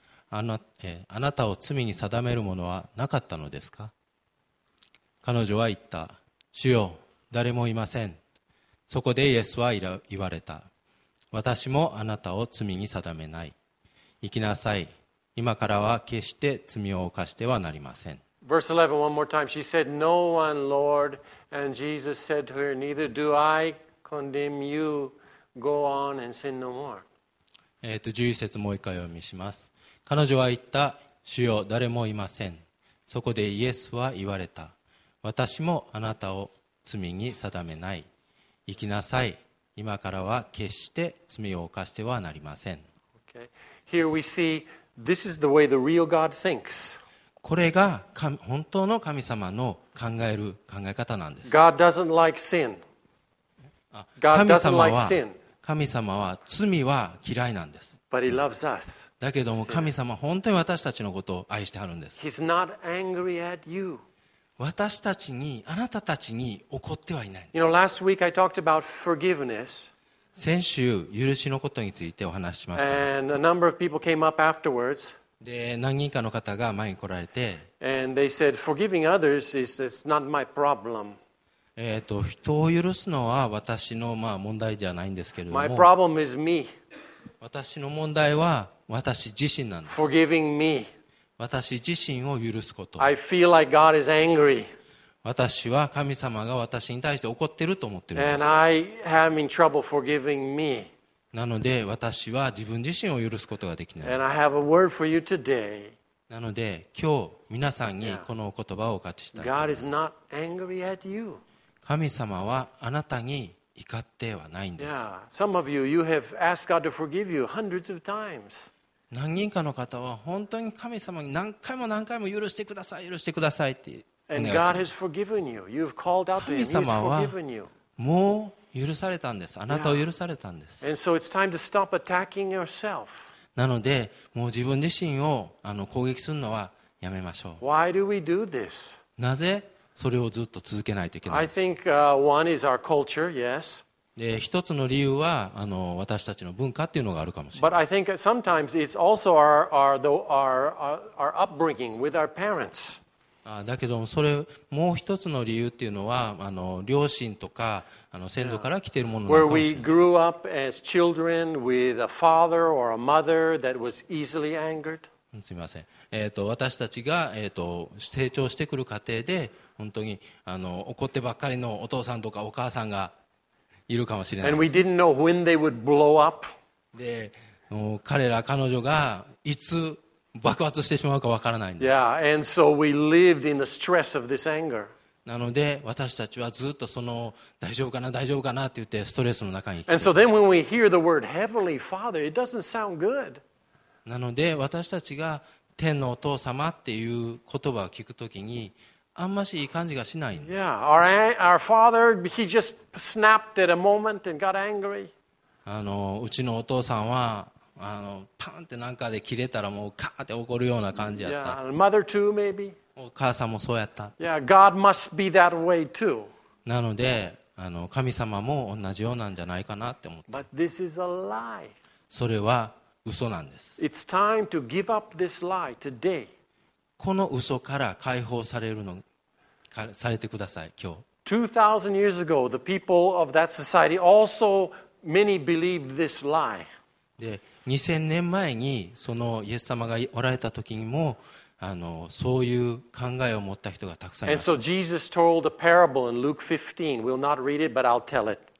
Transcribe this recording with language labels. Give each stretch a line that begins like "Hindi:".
Japanese: あなたを罪に定める者はなかったのですか。彼女は言った。主よ、誰もいません。そこでイエスは言われた。私もあなたを罪に定めない。行きなさい。今からは決して罪を犯してはなりません。
English: Verse 11, one more time. She said, No one, Lord. And Jesus said to her, Neither do I condemn you. Go on and sin no more.
Japanese: 11節もう一回読みします。彼女は言った。主よ、誰もいません。そこでイエスは言われた。私もあなたを罪に定めない。行きなさい。今からは決して罪を犯してはなりません。
English: Okay. Here we seeThis is the way the real God thinks.
Japanese: これが本当の神様の考える考え方なんです。
English: God doesn't like sin. God doesn't like sin.
Japanese: 神様は罪は嫌いなんです。
English: But he loves us.
Japanese: だけども神様は本当に私たちのことを愛してはるんです。
English: He's not angry at you.
Japanese: 私たちに、あなたたちに怒ってはいないんです。
English: You know, last week I talked about forgiveness.
Japanese: 先週許しのことについてお話ししました。
English: And a number of people came up afterwards.
Japanese: で何人かの方が前に来られて
English: And they said, forgiving others is, it's not my problem.
Japanese: 人を許すのは私の、まあ、問題ではないんですけれども
English: My problem is me.
Japanese: 私の問題は私自身なんです
English: Forgiving me.
Japanese: 私自身を許すこと
English: I feel like God is angry.
Japanese: 私は神様が私に対して怒ってると思ってるんです
English: And I am in trouble forgiving me.
Japanese: なので私は自分自身を許すことができない。
English: And I have a word for you today.
Japanese: なので今日皆さんにこの言葉をお勝ちしたいと思います。
English: God is not angry at you.
Japanese: 神様はあなたに怒ってはないんです。
English: Some of you, you have asked God to forgive you hundreds of times.
Japanese: 何人かの方は本当に神様に何回も何回も許してください、許してくださいってお願いします。
English: And God has forgiven you. You've called out to Him. He's forgiven you.
Japanese: 神様はもう許されたんです。あなたを許されたんです。
English: And so it's time to stop attacking yourself.
Japanese: なので、もう自分自身を攻撃するのはやめましょう。
English: Why do we do this?
Japanese: なぜそれをずっと続けないといけないんですか?
English: I think one is our culture, yes.
Japanese: で、一つの理由は私たちの文化っていうのがあるかもしれない。
English: But I think sometimes it's also our upbringing with our parents.
Japanese: だけどもそれもう一つの理由っていうのは両親とか先祖から来ているものなのかもしれない。
English: Where we grew up as children with a father or a mother that was easily angered.
Japanese: すみません。私たちが成長してくる過程で本当に怒ってばっかりのお父さんとかお母さんがいるかもしれない。
English: And we didn't know when they would blow up.
Japanese: で、彼ら彼女がいつ爆発してしまうかわからないんです。
English: Yeah, and so we lived in the stress of this anger.
Japanese: なので私たちはずっとその大丈夫かな大丈夫かなって言ってストレスの中に生きている。
English: And so then when we hear the word Heavenly Father, it doesn't sound good.
Japanese: なので私たちが天のお父様っていう言葉を聞くときにあんましいい感じがしないんです。
English: Yeah, our father, he just snapped at a moment and got angry.
Japanese: うちのお父さんはパンってなんかで切れたらもうカーって怒るような感じやった。
English: Yeah, mother too, maybe.
Japanese: お母さんもそうやった。
English: Yeah, God must be that way too.
Japanese: なので神様も同じようなんじゃないかなって思った。
English: But this is a lie.
Japanese: それは嘘なんです。
English: It's time to give up this lie today.
Japanese: この嘘から解放されるのされてください今日。
English: 2000 years ago, the people of that society also many believed this lie.
Japanese: で2000年前にそのイエス様がおられた時にもそういう考えを持った人がたくさんいました。
English: And so Jesus told a parable in Luke 15. We'll not read it, but I'll tell it.